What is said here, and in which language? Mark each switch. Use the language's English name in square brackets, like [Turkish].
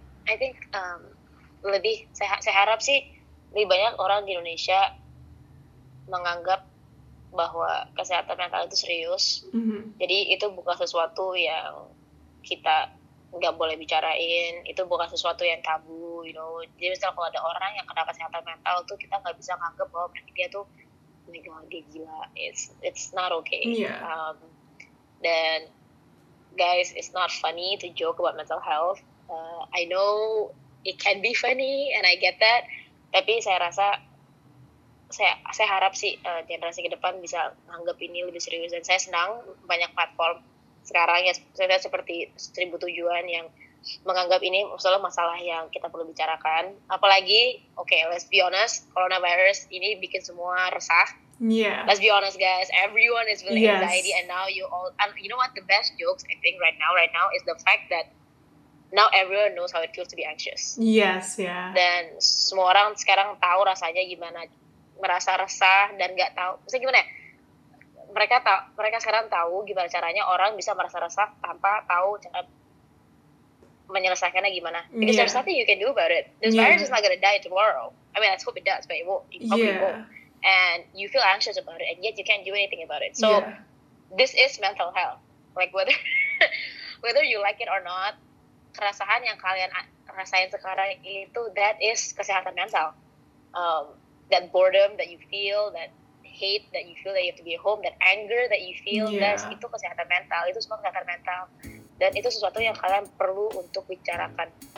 [English] I think [Indonesian] saya harap sih lebih banyak orang di Indonesia menganggap bahwa kesehatan mental itu serius. Jadi itu bukan sesuatu yang kita nggak boleh bicarain, itu bukan sesuatu yang tabu, [English] you know. [Indonesian] Jadi misalnya kalau ada orang yang kena kesehatan mental tuh, kita nggak bisa menganggap bahwa dia tuh lagi gila, [English] it's not okay. Dan guys, it's not funny to joke about mental health. I know it can be funny and I get that. [Indonesian] Tapi saya rasa, saya harap sih generasi ke depan bisa menganggap ini lebih serius. Dan saya senang banyak platform sekarang ya, saya seperti Seribu Tujuan yang menganggap ini misalnya masalah yang kita perlu bicarakan. Apalagi, [English] okay, let's be honest, [Indonesian] coronavirus ini bikin semua resah. [English] Yeah. Let's be honest guys, everyone is feeling anxiety and now you all, and you know what, the best jokes I think right now is the fact that now everyone knows how it feels to be anxious. Yes, yeah. [Indonesian] Dan semua orang sekarang tahu rasanya gimana merasa resah dan nggak tahu. Maksudnya gimana? Mereka sekarang tahu gimana caranya orang bisa merasa resah tanpa tahu cara menyelesaikannya gimana. [English] Because there's nothing you can do about it. This virus is not gonna die tomorrow. I mean, let's hope it does, but it won't. It probably won't. and you feel anxious about it, and yet you can't do anything about it. So this is mental health. Like whether whether you like it or not, [Indonesian] kerasahan yang kalian rasain sekarang itu, [English] that is kesehatan mental. That boredom that you feel, that hate that you feel that you have to be at home, that anger that you feel, that's [Indonesian] itu kesehatan mental. Itu semua kesehatan mental. Dan itu sesuatu yang kalian perlu untuk bicarakan.